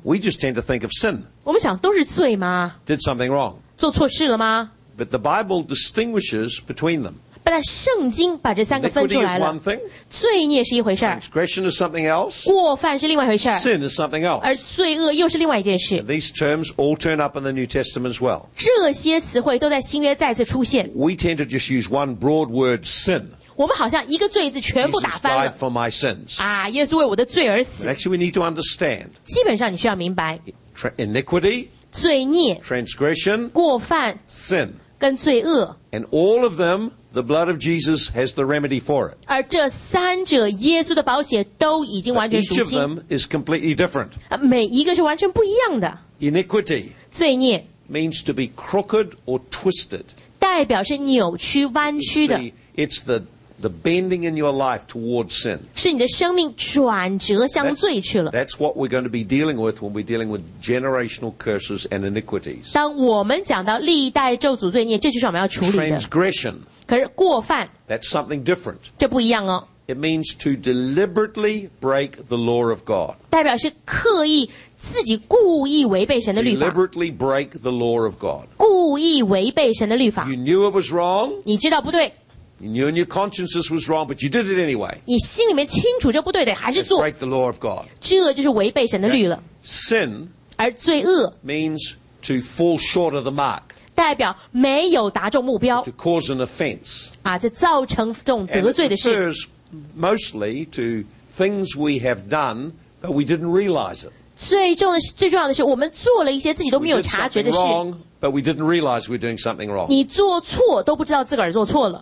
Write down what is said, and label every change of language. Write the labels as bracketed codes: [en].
[en] We just tend to think of sin [zh] 我们想都是罪吗 [en] Did something wrong [zh] 做错事了吗 [en] But the Bible distinguishes between them [zh] 但圣经把这三个分出来了 [en] Iniquity is one thing [zh] 罪孽是一回事 [en] Transgression is something else [zh] 过犯是另外一回事 [en] Sin is something else [zh] 而罪恶又是另外一件事 [en] And These terms all turn up in the New Testament as well [zh] 这些词汇都在新约再次出现 [en] We tend to just use one broad word sin [zh] 我们好像一个罪字全部打翻了 [en] Jesus died for my sins [zh] 啊，耶稣为我的罪而死 [en] But actually we need to understand [zh] 基本上你需要明白 [en] Iniquity [zh] 罪孽 [en] Transgression [zh] 过犯 [en] Sin [zh] 跟罪恶 [en] And all of them The blood of Jesus has the remedy for it. [zh] 而这三者，耶稣的宝血都已经完全赎清。 [en] Each of them is completely different. [zh] 每一个是完全不一样的。Iniquity 罪孽 [en] means to be crooked or twisted. [zh] 代表是扭曲、弯曲的。 [en] It's the bending in your life towards sin. [zh] 是你的生命转折向罪去了。 [en] That's what we're going to be dealing with when we're dealing with generational curses and iniquities. [zh] 当我们讲到历代咒诅罪孽，这就是我们要处理的。 [en] Transgression [zh] 可是过犯, [en] That's something different. [zh] 这不一样哦。 [en] It means to deliberately break the law of God. [zh] 代表是刻意自己故意违背神的律法。 [en] Deliberately break the law of God. [zh] 故意违背神的律法。 [en] You knew it was wrong. [zh] 你知道不对。 [en] You knew in your conscience this was wrong, but you did it anyway. [zh] 你心里面清楚这不对的，还是做。 [en] Break the law of God. [zh] 这就是违背神的律了。 [en] Sin [zh] 而罪恶 [en] means to fall short of the mark. [zh] 代表没有达中目标 [en] To cause an offense [zh] 这造成这种得罪的事 [en] And it refers mostly to things we have done But we didn't realize it [zh] 最重要的是 我们做了一些自己都没有察觉的事 [en] We did something wrong But we didn't realize we're doing something wrong [zh] 你做错都不知道自个儿做错了